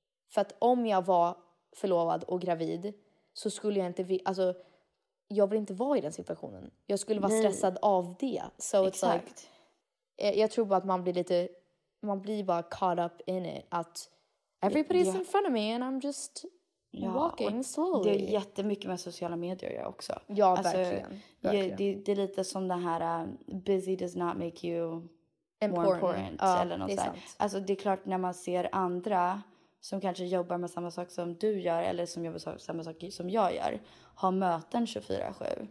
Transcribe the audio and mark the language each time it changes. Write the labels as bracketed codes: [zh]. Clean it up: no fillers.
[sv] För att om jag var förlovad och gravid, så skulle jag inte, alltså jag vill inte vara i den situationen. Jag skulle vara stressad av det. So exakt. [en] It's like, [sv] jag tror bara att man blir lite, man blir bara [en] caught up in it, att everybody's in front of me and I'm just walking slowly. [sv] Det är jättemycket med sociala medier jag också. Ja, alltså, verkligen. Det är lite som det här [en] busy does not make you important. More important. [sv] Eller något sånt. Alltså det är klart, när man ser andra som kanske jobbar med samma sak som du gör, eller som jobbar med samma sak som jag gör, har möten 24/7.